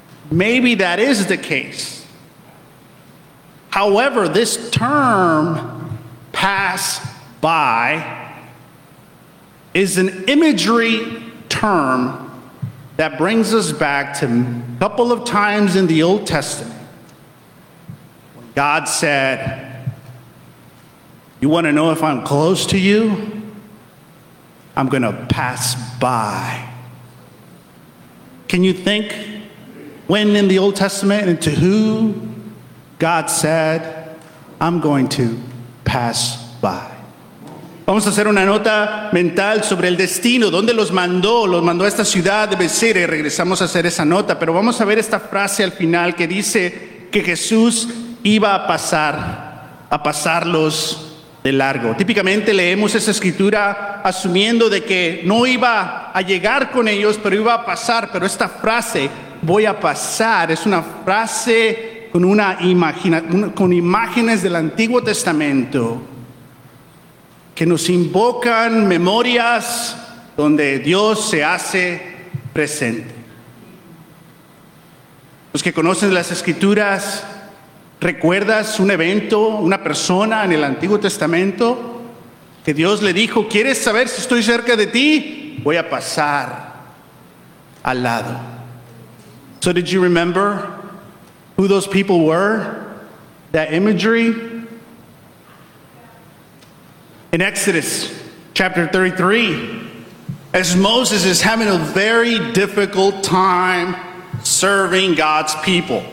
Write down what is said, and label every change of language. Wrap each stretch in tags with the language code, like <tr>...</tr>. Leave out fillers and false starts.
<en>Maybe that is the case. However, this term, pass by, is an imagery term that brings us back to a couple of times in the Old Testament when God said, you want to know if I'm close to you? I'm going to pass by. Can you think when in the Old Testament and to who God said, I'm going to pass by?</en> <es>Vamos a hacer una nota mental sobre el destino. ¿Dónde los mandó? Los mandó a esta ciudad de Bethsaida. Y regresamos a hacer esa nota. Pero vamos a ver esta frase al final que dice que Jesús iba a pasarlos de largo. Típicamente leemos esa escritura asumiendo de que no iba a llegar con ellos, pero iba a pasar. Pero esta frase, voy a pasar, es una frase con imágenes del Antiguo Testamento que nos invocan memorias donde Dios se hace presente. Los que conocen las escrituras, ¿recuerdas un evento, una persona en el Antiguo Testamento que Dios le dijo, ¿quieres saber si estoy cerca de ti? Voy a pasar al lado.</es> <en>So did you remember who those people were? That imagery? In Exodus chapter 33, as Moses is having a very difficult time serving God's people.</en>